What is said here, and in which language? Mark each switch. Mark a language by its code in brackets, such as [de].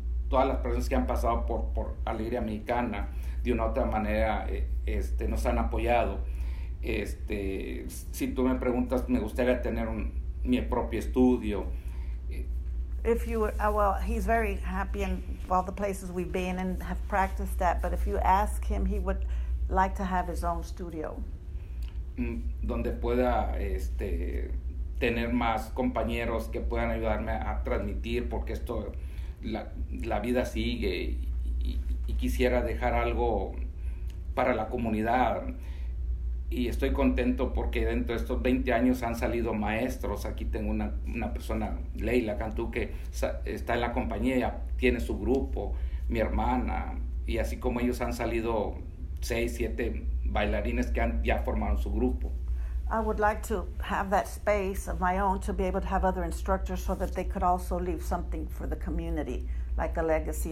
[es] todas las personas que han pasado por Alegría Mexicana, de una u otra manera, nos han apoyado. Si tú me preguntas, me gustaría tener mi propio estudio. [en] If you were, he's very happy in all the places we've been and have practiced that, but if you ask him, he would like to have his own studio. [es] Donde pueda tener más compañeros que puedan ayudarme a transmitir, porque esto... La vida sigue y quisiera dejar algo para la comunidad, y estoy contento porque dentro de estos 20 años han salido maestros. Aquí tengo una persona, Leila Cantú, que está en la compañía, ya tiene su grupo, mi hermana, y así como ellos han salido 6-7 bailarines que ya formaron su grupo. [en] I would like to have that space of my own to be able to have other instructors so that they could also leave something for the community, like a legacy.